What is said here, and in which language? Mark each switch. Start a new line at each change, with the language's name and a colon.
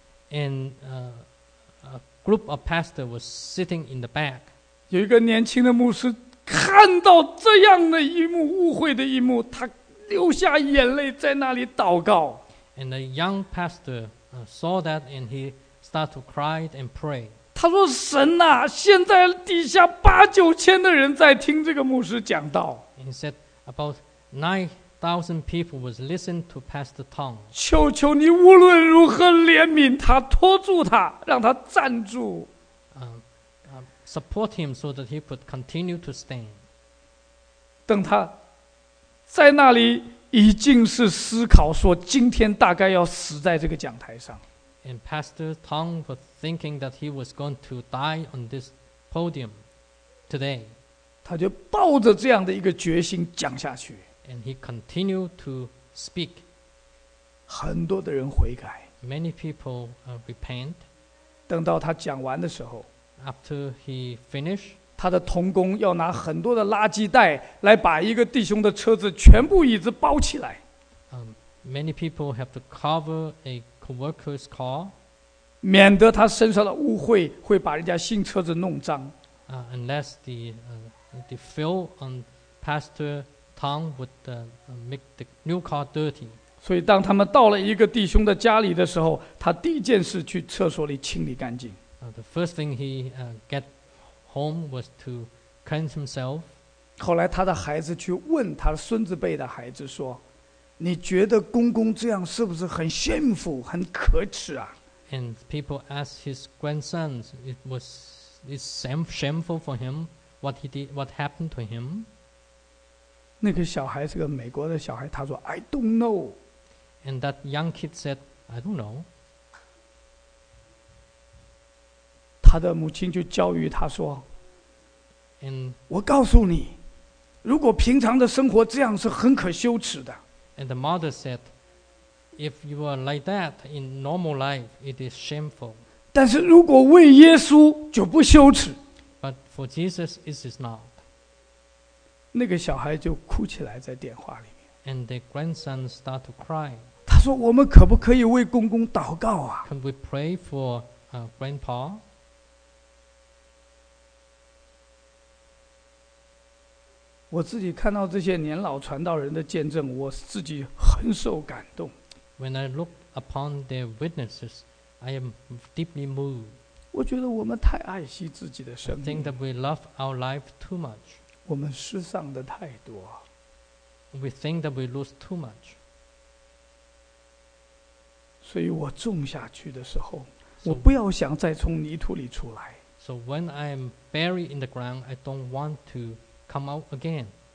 English: And a group of pastors was sitting in the back.
Chinese: 有一个年轻的牧师看到这样的一幕，误会的一幕，他流下眼泪在那里祷告。
English: And a young pastor saw that and he started to cry and pray.
Chinese: 他说，神啊，现在底下八九千的人在听这个牧师讲道。
English: And he said about 9,000 people was listening to Pastor Tong.
Chinese: 求求你无论如何怜悯他，拖住他，让他站住。
English: Support him so that he could continue to stand.
Chinese: 等他在那里已经是思考说今天大概要死在这个讲台上。
English: And Pastor Tong was thinking that he was going to die on this podium today.
Chinese: 他就抱着这样的一个决心讲下去。
English: And he continued to speak.
Chinese: 很多的人悔改。
English: Many people repent.
Chinese: 等到他讲完的时候。
English: After he finished.
Chinese: 他的同工要拿很多的垃圾袋来把一个弟兄的车子全部椅子包起来。
English: Many people have to cover a co-worker's car.
Chinese: 免得他身上的污秽会把人家新车子弄脏。
English: Unless the fill on Pastor Tom would make the new car dirty.
Chinese: 所以当他们到了一个弟兄的家里的时候，他第一件事去厕所里清理干净。
English: The first thing he get home was to cleanse himself.
Chinese: 后来他的孩子去问他孙子辈的孩子说，你觉得公公这样是不是很幸福很可耻啊？
English: And people asked his grandsons, it's shameful for him, what happened to him?
Chinese: 那个小孩是个美国的小孩，他说
English: I don't know. And that young kid said, I don't know.
Chinese: 他的母亲就教育他说，
English: and,
Chinese: 我告诉你，如果平常的生活这样是很可羞耻的。
English: And the mother said, if you are like that in normal life, it is shameful.
Chinese: 但是如果为耶稣就不羞耻。
English: But for Jesus, it is not.
Chinese: 那个小孩就哭起来在电话里面。
English: And the grandson started to cry.
Chinese: 他说，我们可不可以为公公祷告啊？
English: Can we pray for grandpa?
Chinese: 我自己看到这些年老传道人的见证，我自己很受感动。
English: When I look upon their witnesses, I am deeply moved.
Chinese: 我觉得我们太爱惜自己的生命。
English: I think that we love our life too much.
Chinese: 我们失丧的太多。
English: We think that we lose too much.
Chinese: 所以我种下去的时候，我不要想再从泥土里出来。
English: So when I am buried in the ground, I don't want to come out again.